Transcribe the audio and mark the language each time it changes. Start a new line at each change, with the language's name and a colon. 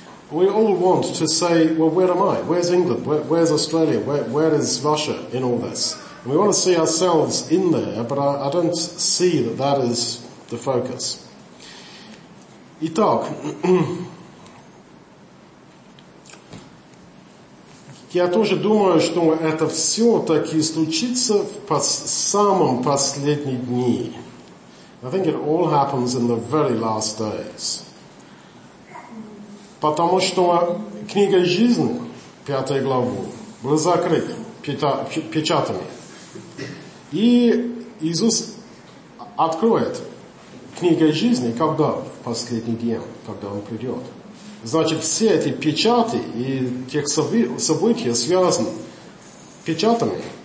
English: We all want to say, well, where am I? Where's England? Where's Australia? Where is Russia in all this? And we want to see ourselves in there, but I don't see that that is the focus.
Russian: Итак, я тоже думаю, что это все таки случится в самом последние дни.
English: I think it all happens in the very last days.
Russian: Потому что книга жизни, пятая глава, была закрыта печатами. И Иисус откроет книгу жизни, когда? В последний день, когда Он придет. Значит, все эти печати и тех события связаны печатами.